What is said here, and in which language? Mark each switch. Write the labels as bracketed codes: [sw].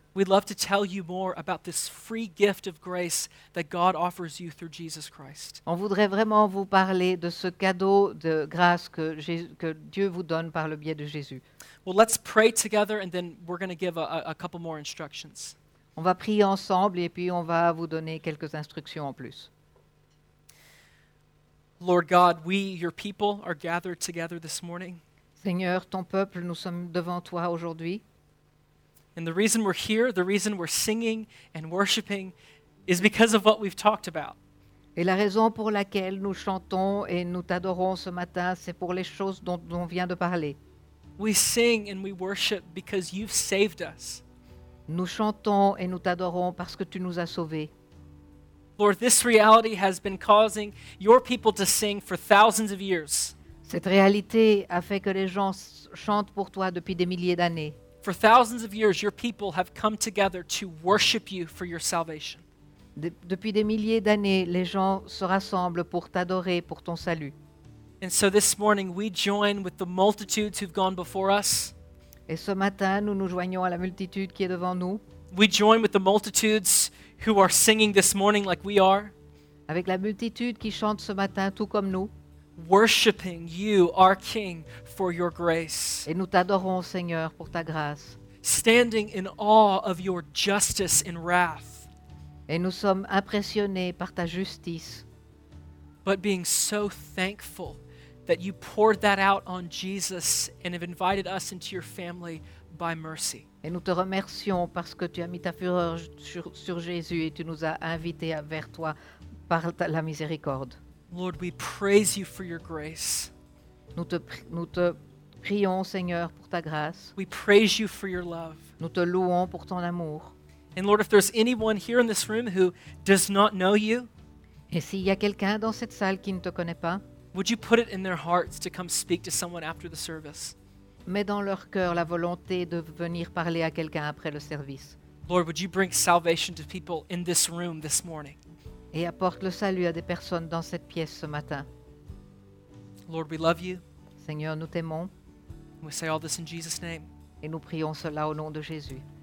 [en] We'd love to tell you more about this free gift of grace that God offers you through Jesus Christ. [fr] On voudrait vraiment vous parler de ce cadeau de grâce que Dieu vous donne par le biais de Jésus. [en] Well, let's pray together and then we're going to give a couple more instructions. [fr] On va prier ensemble et puis on va vous donner quelques instructions en plus. [en] Lord God, we, your people, are gathered together this morning. [fr] Seigneur, ton peuple, nous sommes devant toi aujourd'hui. [en] And the reason we're here, the reason we're singing and worshiping, is because of what we've talked about. [fr] Et la raison pour laquelle nous chantons et nous t'adorons ce matin, c'est pour les choses dont on vient de parler. [en] We sing and we worship because you've saved us. [fr] Nous chantons et nous t'adorons parce que tu nous as sauvés. [en] Lord, this reality has been causing your people to sing for thousands of years. [fr] Cette réalité a fait que les gens chantent pour toi depuis des milliers d'années. [en] For thousands of years, your people have come together to worship you for your salvation. [fr] Depuis des milliers d'années, les gens se rassemblent pour t'adorer pour ton salut. [en] And so this morning, we join with the multitudes who've gone before us. [fr] Et ce matin, nous nous joignons à la multitude qui est devant nous. [en] We join with the multitudes who are singing this morning like we are. [fr] Avec la multitude qui chante ce matin, tout comme nous. [en] Worshiping you, our King, for your grace. [fr] Et nous t'adorons, Seigneur, pour ta grâce. [en] Standing in awe of your justice and wrath. [fr] Et nous sommes impressionnés par ta justice. [en] But being so thankful that you poured that out on Jesus and have invited us into your family by mercy. [fr] Et nous te remercions parce que tu as mis ta fureur sur Jésus et tu nous as invités vers toi par la miséricorde. [en] Lord, we praise you for your grace. [fr] Nous te prions, Seigneur, pour ta grâce. [en] We praise you for your love. [fr] Nous te louons pour ton amour. [en] And Lord, if there's anyone here in this room who does not know you, [fr] et s'il y a quelqu'un dans cette salle qui ne te connaît pas, [en] would you put it in their hearts to come speak to someone after the service? [fr] Mets dans leur cœur la volonté de venir parler à quelqu'un après le service. [en] Lord, would you bring salvation to people in this room this morning? [fr] Et apporte le salut à des personnes dans cette pièce ce matin. [en] Lord, we love you. [fr] Seigneur, nous t'aimons. [en] We say all this in Jesus' name. [fr] Et nous prions cela au nom de Jésus.